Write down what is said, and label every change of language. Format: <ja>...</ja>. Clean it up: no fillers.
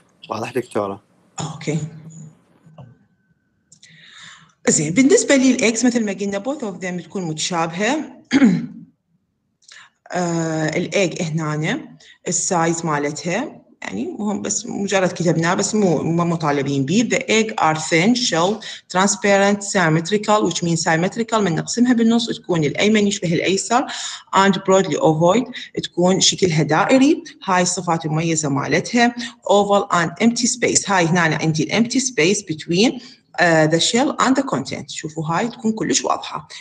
<ar>واضح دكتورة. أوكي. زين بالنسبة للإكس مثل ما قلنا</ar> <en>both of them</en> <ar>تكون متشابهة. الإيج هنا أنا السايز مالتها. يعني مهم بس مجرد كتبناه بس مو مطالبين به.</ar> <en>The egg are thin, shell, transparent, symmetrical, which means symmetrical.</en> <ar>من نقسمها بالنص تكون الأيمن يشبه الأيسر</ar> <en>and broadly ovoid</en> <ar>تكون شكلها دائري. هاي الصفات المميزة مالتها.</ar> <en>Oval and empty space.</en> <ar>هاي هنا عندي</ar> <en>empty space between the shell and the content.</en> <ar>شوفوا هاي تكون كلش واضحة.</ar>